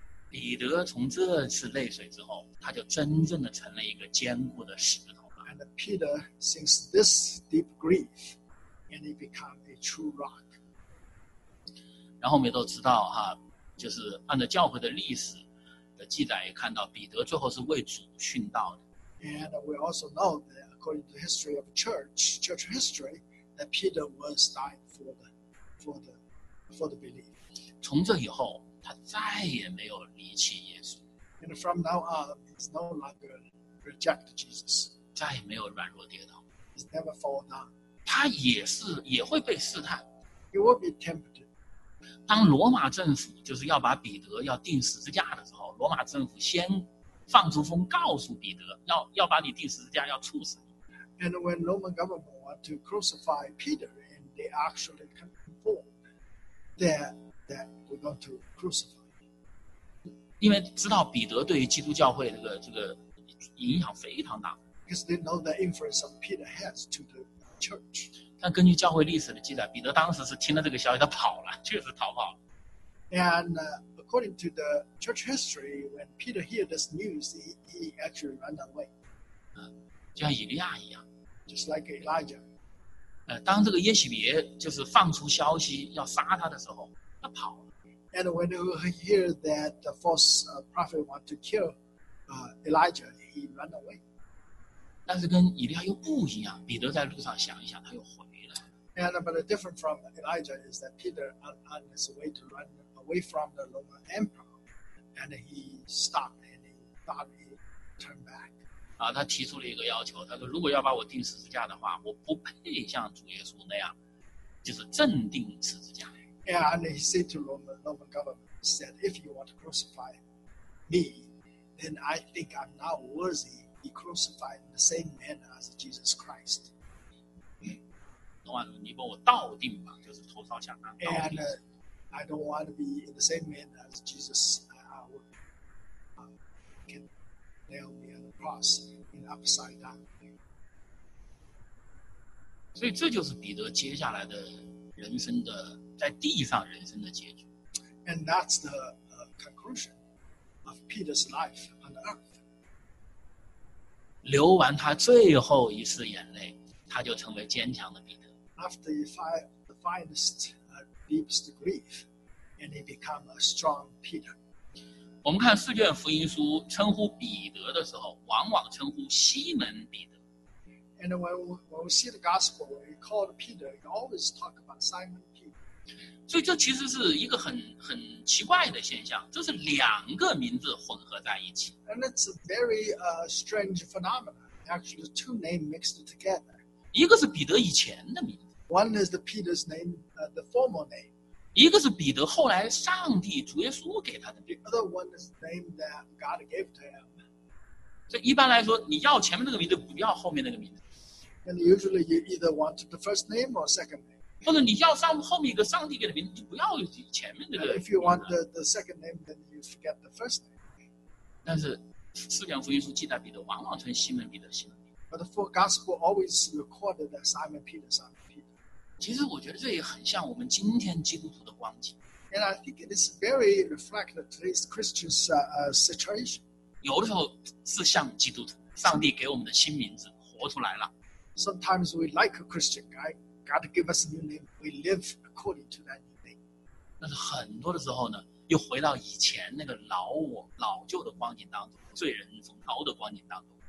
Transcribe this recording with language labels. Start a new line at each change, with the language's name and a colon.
Chinese: 彼得从这次泪水之后，他就真正的成了一个坚固的石头了。
English: And Peter, since this deep grief, and he became a true rock.
Chinese: 然后我们都知道哈，就是按照教会的历史的记载，也看到彼得最后是为主殉道的。
English: And we also know that according to the history of church history, that Peter was dying for the belief.
Chinese: 从这以后。他再也没有离弃耶稣。
English: And from now on, he's no longer reject Jesus.
Chinese: 再也没有软弱跌倒。
English: He's never fall down.
Chinese: 他也会被试探。
English: He will be tempted.
Chinese: 当罗马政府就是要把彼得要钉十字架的时候，罗马政府先放出风告诉彼得，要把你钉十字架，要处死你。
English: And when Roman government want to crucify Peter, and they actually confirm that we're going to crucify.
Chinese: 因为知道彼得对于基督教会这个影响非常大。
English: Because they know the influence of Peter has to the church.
Chinese: 但根据教会历史的记载，彼得当时是听了这个消息，他跑了，确实逃跑了。
English: And according to the church history, when Peter hear this news, he actually ran away.
Chinese: 就像以利亚一样。
English: Just like Elijah.
Chinese: 当这个耶洗别就是放出消息要杀他的时候。
English: And when he hear that the false prophet want to kill Elijah, he ran away.
Chinese: 但是跟以利亚又不一样，彼得在路上想一想，他又回来了。
English: And but different from Elijah is that Peter on his way to run away from the Roman emperor, and he stopped and he thought he turned back.
Chinese: 啊，他提出了一个要求，他说如果要把我钉十字架的话，我不配像主耶稣那样，就是正钉十字架。
English: And he said to Roman government, said, if you want to crucify me, then I think I'm not worthy to be crucified in the same manner as Jesus Christ. And I don't want to be in the same manner as Jesus. Can nail me on the cross in upside down.
Chinese: 所以这就是彼得接下来的人生的在地上人生的结局。
English: And that's the conclusion of Peter's life on the earth.
Chinese: 流完他最后一次眼泪，他就成为坚强的彼得。
English: After the finest, deepest grief, and he became a strong Peter.
Chinese: 我们看四卷福音书称呼彼得的时候，往往称呼西门彼得。
English: And when we see the gospel, we call Peter, we always talk about Simon Peter.
Chinese: 所以这其实是一个很奇怪的现象，这是两个名字混合在一起。
English: And it's a very strange phenomenon. Actually, two names mixed together.
Chinese: 一个是彼得以前的名字。
English: One is the Peter's name, the former name.
Chinese: 一个是彼得后来上帝主耶稣给他的名字。
English: The other one is the name that God gave to him.
Chinese: 所以一般来说，你要前面那个名字，不要后面那个名字。
English: And usually you either want the first name or second name.
Chinese: 或者你叫上后面一个上帝给的名字，你不要前面那个。
English: If you want the second name, then you forget the first name.
Chinese: 但是四卷福音书记载彼得往往称西门彼得西门彼得。
English: But the four gospels always recorded that Simon Peter, Simon Peter.
Chinese: 其实我觉得这也很像我们今天基督徒的光景。
English: And I think it is very reflective of today's Christians' situation.
Chinese: 有的时候是像基督徒，上帝给我们的新名字活出来了。
English: Sometimes we like a Christian guy. God give us a new name. We live according to that new name.
Chinese: 但是很多的时候呢，又回到以前那个老我、老旧的光景当中，罪人从老的光景当中。